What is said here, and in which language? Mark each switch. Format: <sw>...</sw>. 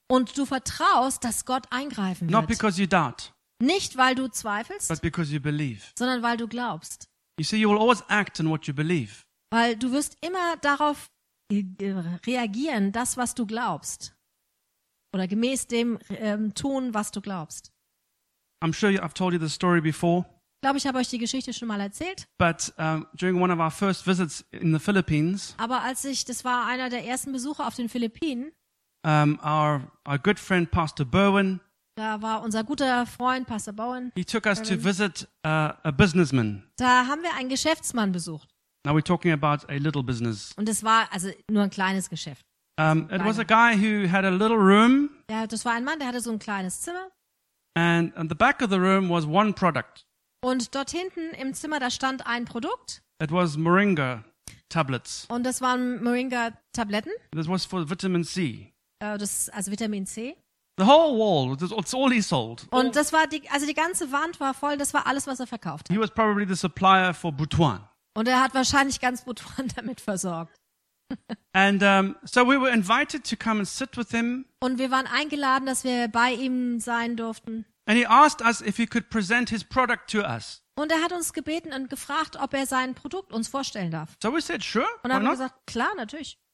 <de>Und du vertraust, dass Gott eingreifen wird.</de> <en>Not because you doubt.</en> <de>Nicht weil du zweifelst,</de> <en>but because you believe.</en> <de>Sondern weil du glaubst.</de> <en>You see, you will always act on what you believe.</en> <de>Weil du wirst immer darauf reagieren, das was du glaubst. Oder gemäß dem tun, was du glaubst.</de> <en>I'm sure I've told you this story before.</en> <de>Ich glaube, ich habe euch die Geschichte schon mal erzählt.</de> <en>But during one of our first visits in the Philippines.</en> <de>Aber als ich, das war einer der ersten Besuche auf den Philippinen.</de> <en>Our good friend Pastor Berwin.</en> <de>Da war unser guter Freund Pastor Bowen.</de> <en>He took us to visit a businessman.</en> <de>Da haben wir einen Geschäftsmann besucht.</de> <en>Now we're talking about a little business.</en> <de>Und es war also nur ein kleines Geschäft.</de> <en>It was a guy who had a little room.</en> <de>Ja, das war ein Mann, der hatte so ein kleines Zimmer.</de> <en>And in the back of the room was one product.</en> <de>Und dort hinten im Zimmer, da stand ein Produkt.</de> <en>It was Moringa tablets.</en> <de>Und das waren Moringa Tabletten.</de> <en>This was for Vitamin C.</en> <de>Das also Vitamin C.</de> <en>The whole wall, it's all he sold.</en> <de>Und das war die, also die ganze Wand war voll. Das war alles, was er verkauft hat.</de> <en>He was probably the supplier for Butuan.</en> <de>Und er hat wahrscheinlich ganz Butuan damit versorgt.</de> <en>And so we were invited to come and sit with him.</en> <de>Und wir waren eingeladen, dass wir bei ihm sein durften.</de> <en>And he asked us if he could present his product to us.</en> <de>Und er hat uns gebeten und gefragt, ob er sein Produkt uns vorstellen darf.</de> <en>So we said sure.</en> <de>Und haben gesagt, klar, natürlich.</de>